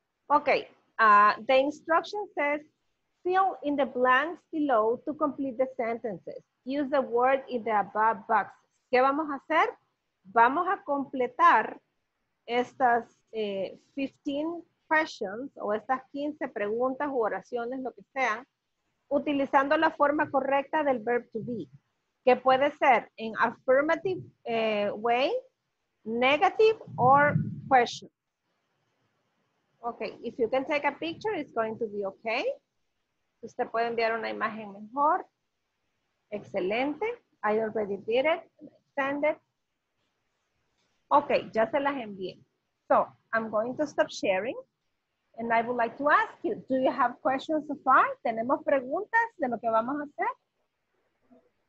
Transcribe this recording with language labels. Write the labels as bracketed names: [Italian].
[English] Ok, the instruction says, fill in the blanks below to complete the sentences. Use the word in the above boxes. [Spanish] ¿Qué vamos a hacer? Vamos a completar estas [English] 15 questions [Spanish] o estas 15 preguntas u oraciones, lo que sea, utilizando la forma correcta del verb to be, que puede ser en [English] affirmative way, negative or question. Okay, if you can take a picture, it's going to be okay. [Spanish] Usted puede enviar una imagen mejor. Excelente. [English] I already did it. Send it. Okay, [Spanish] ya se las envié. [English] So, I'm going to stop sharing, and I would like to ask you, do you have questions so far? [Spanish] ¿Tenemos preguntas de lo que vamos a hacer?